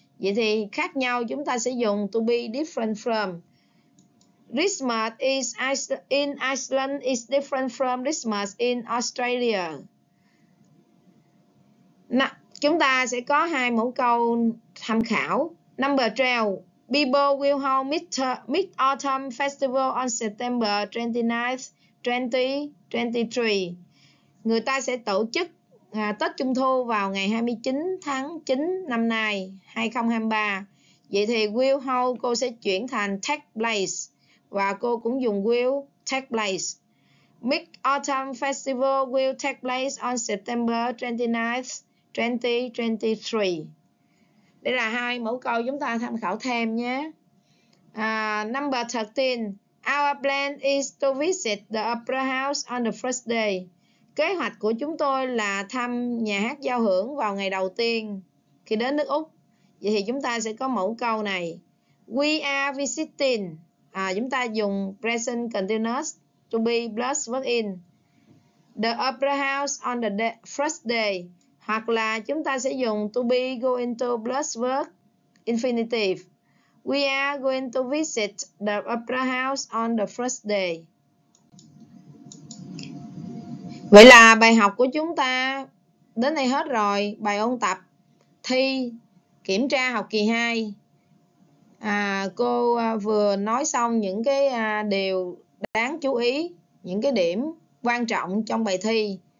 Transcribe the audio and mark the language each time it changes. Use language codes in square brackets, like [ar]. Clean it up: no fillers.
[vi] Vậy thì khác nhau, chúng ta sẽ dùng to be different from. [en] Christmas is in Iceland is different from Christmas in Australia. [vi] Chúng ta sẽ có hai mẫu câu tham khảo. [en] Number 12. People will hold Mid-Autumn Festival on September 29th, 2023. [vi] Người ta sẽ tổ chức Tết Trung Thu vào ngày 29 tháng 9 năm nay, 2023. Vậy thì will hold cô sẽ chuyển thành take place. Và cô cũng dùng will take place. [en] Mid-Autumn Festival will take place on September 29th, 2023. [vi] Đây là hai mẫu câu chúng ta tham khảo thêm nhé. [en] Number 13. Our plan is to visit the Opera House on the first day. [vi] Kế hoạch của chúng tôi là thăm nhà hát giao hưởng vào ngày đầu tiên khi đến nước Úc. Vậy thì chúng ta sẽ có mẫu câu này. [en] We are visiting. [vi] Chúng ta dùng [en] present continuous to be plus verb in. The Opera House on the first day. [vi] Hoặc là chúng ta sẽ dùng [en] to be going to plus verb infinitive. We are going to visit the Opera House on the first day. [vi] Vậy là bài học của chúng ta đến đây hết rồi. Bài ôn tập thi kiểm tra học kỳ 2. Cô vừa nói xong những cái điều đáng chú ý, những cái điểm quan trọng trong bài thi.